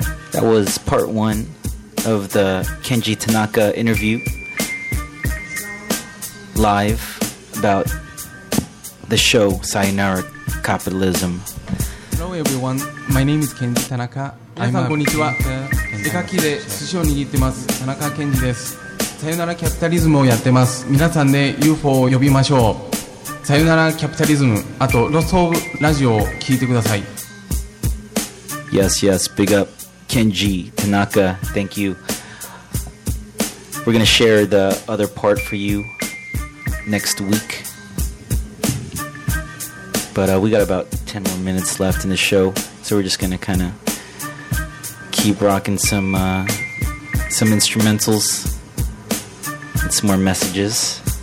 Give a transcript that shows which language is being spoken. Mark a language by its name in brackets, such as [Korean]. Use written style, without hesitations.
[English] That was part one of the Kenji Tanaka interview live about the show Sayonara Capitalism. Hello everyone, my name is Kenji Tanaka. I'm a painter. [Japanese] 絵描きで寿司を握ってます田中健二です。さよならキャピタリズムをやってます皆さんで UFO を呼びましょうさよならキャピタリズムあとロストオブラジオを聞いてください [English] Yes, yes, big up Kenji Tanaka, thank you. We're going to share the other part for you next week. But we got about 10 more minutes left in the show, so we're just going to kind of keep rocking some instrumentals and some more messages.